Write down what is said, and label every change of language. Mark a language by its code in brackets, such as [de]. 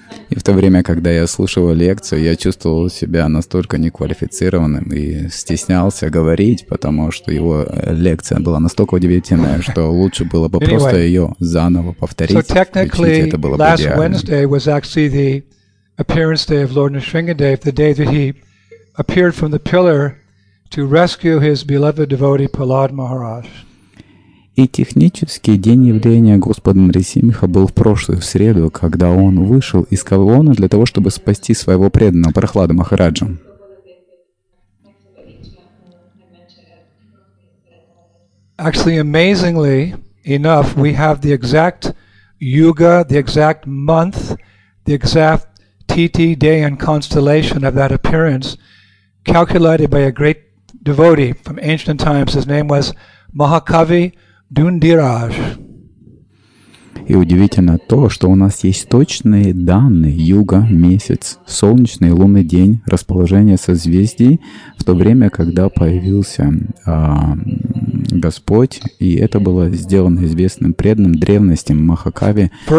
[ru] И в то время, когда я слушал лекцию, я чувствовал себя настолько неквалифицированным и стеснялся говорить, потому что его лекция была настолько удивительная, что лучше было бы просто ее заново повторить. [en] So technically, last Wednesday was actually the appearance day of Lord Nrisimhadev, the day that he appeared from the pillar to rescue his beloved devotee Prahlad Maharaj. [ru] И технический день явления Господа Нрисимха был в прошлую среду, когда он вышел из колонны для того, чтобы спасти своего преданного Прахлада Махараджа. [en] Actually, amazingly enough, we have the exact yuga, the exact month, the exact titi, day and constellation of that appearance, calculated by a great devotee from ancient times. His name was Mahakavi Dundiraj. [ru] И удивительно то, что у нас есть точные данные юга, месяц, солнечный, лунный день, расположение созвездий в то время, когда появился Господь, и это было сделано известным преданным древности Махакави